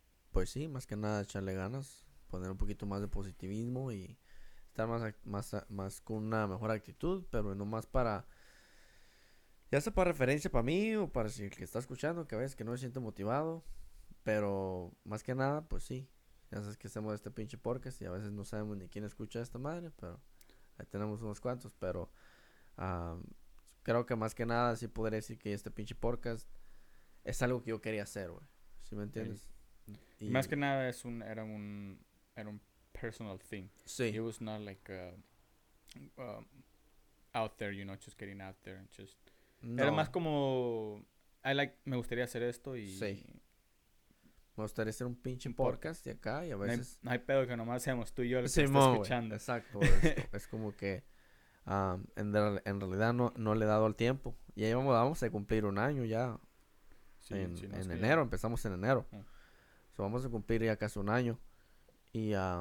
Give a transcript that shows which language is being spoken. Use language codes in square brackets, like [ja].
[es] Pues sí, más que nada echarle ganas, poner un poquito más de positivismo y estar más con una mejor actitud, pero no más para, ya sea para referencia para mí o para si el que está escuchando, que a veces que no se siente motivado, pero más que nada, pues sí, ya sabes que hacemos este pinche podcast y a veces no sabemos ni quién escucha a esta madre, pero ahí tenemos unos cuantos, pero creo que más que nada sí podría decir que este pinche podcast es algo que yo quería hacer, güey. ¿Sí me entiendes? Y más que nada era un [en] personal thing. [es] Sí. [en] It was not like out there, you know, just getting out there and just. [es] No. Era más como me gustaría hacer esto y. Sí. Me gustaría hacer un pinche podcast de acá y a veces. No hay pedo que nomás seamos tú y yo los que estamos escuchando. Wey. Exacto. Es como que en realidad no le he dado el tiempo. Y ahí vamos a cumplir un año ya. En enero, empezamos en enero. [en] So [es] vamos a cumplir ya casi un año. Y